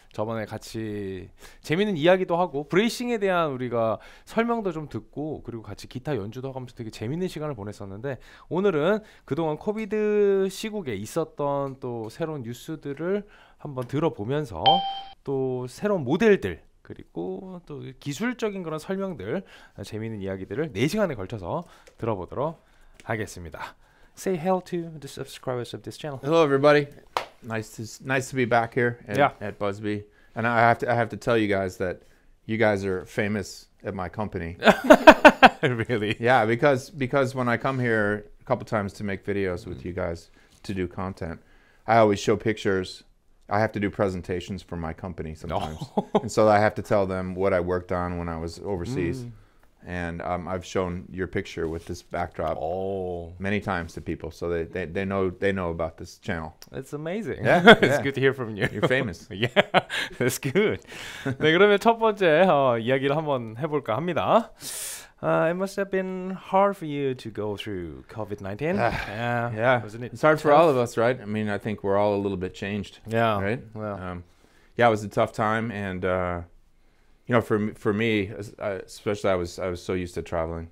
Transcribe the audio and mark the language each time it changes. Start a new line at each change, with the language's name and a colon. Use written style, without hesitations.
Korean: 저번에 같이 재밌는 이야기도 하고 브레이싱에 대한 우리가 설명도 좀 듣고 그리고 같이 기타 연주도 하면서 되게 재밌는 시간을 보냈었는데 오늘은 그동안 코비드 시국에 있었던 또 새로운 뉴스들을 한번 들어보면서 또 새로운 모델들 그리고 또 기술적인 그런 설명들 재밌는 이야기들을 4시간에 걸쳐서 들어보도록 하겠습니다.
English: Say hello to the subscribers of this channel. Hello, everybody. Nice to be back here at Busby. And I have to tell you guys that you guys are famous at my company. Really? Yeah, because when I come here a couple times to make videos with you guys to do content, I always show pictures. I have to do presentations for my company sometimes, and so I have to tell them what I worked on when I was overseas. Mm. And I've shown your picture with this backdrop many times to people, so they know about this channel. It's amazing. Yeah, it's yeah. good to hear from you. You're famous. Yeah, that's good.
Korean: 네, 그러면 첫 번째 이야기를 한번 해볼까 합니다.
English: It must have been hard for you to go through COVID-19. Yeah, wasn't it? It's hard for all of us, right? I mean, I think we're all a little bit changed. Yeah. Right. Well. Yeah, it was a tough time, and. You know, for me, especially I was so used to traveling.